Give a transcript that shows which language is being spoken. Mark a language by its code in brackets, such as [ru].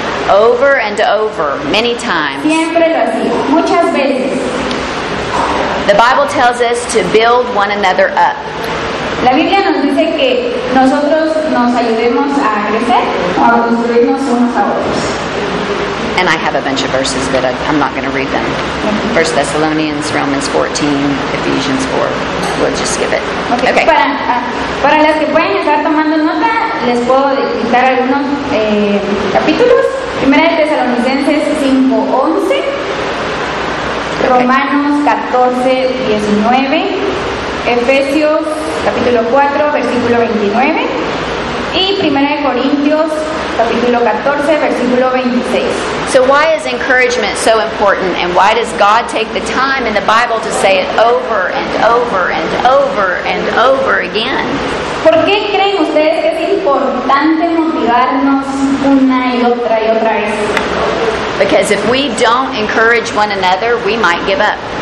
[en] Over and over, many times. [es] Siempre lo hacía, muchas veces. [en] The Bible tells us to build one another up. [es] La Biblia nos dice que nosotros nos ayudemos a crecer o a construirnos unos a otros. [en] And I have a bunch of verses, but I'm not going to read them. 1 Thessalonians, Romans 14, Ephesians 4. We'll just skip it. Okay. [es] Para las que pueden estar tomando nota, les puedo dictar algunos capítulos. 1 Tesalonicenses 5, 11. Okay. Romanos 14, 19. Efesios, capítulo 4, versículo 29. Y 1 Corintios, capítulo 14, versículo 26. [en] So why is encouragement so important, and why does God take the time in the Bible to say it over and over and over and over again? [es] ¿Por qué creen ustedes que es importante motivarnos una y otra y otra vez? [en] Because if we don't encourage one another, we might give up.